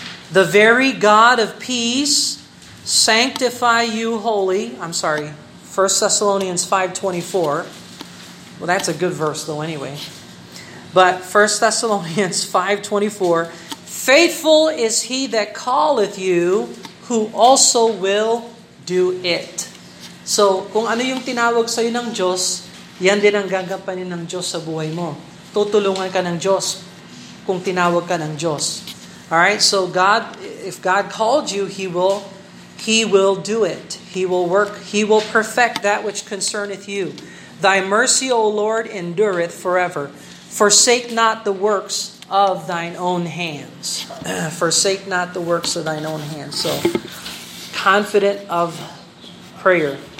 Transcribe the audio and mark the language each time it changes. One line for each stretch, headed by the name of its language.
English: The very God of peace sanctify you wholly. I'm sorry. 1 Thessalonians 5:24. Well, that's a good verse though anyway. But 1 Thessalonians 5:24, faithful is he that calleth you, who also will do it.
Filipino: So, kung ano yung tinawag sa iyo ng Diyos, yan din ang gagampanin ng Diyos sa buhay mo. Tutulungan ka ng Diyos kung tinawag ka ng Diyos.
English: All right? So God, if God called you, he will do it. He will work, he will perfect that which concerneth you. Thy mercy, O Lord, endureth forever. Forsake not the works of thine own hands. Forsake not the works of thine own hands. So, confident of prayer.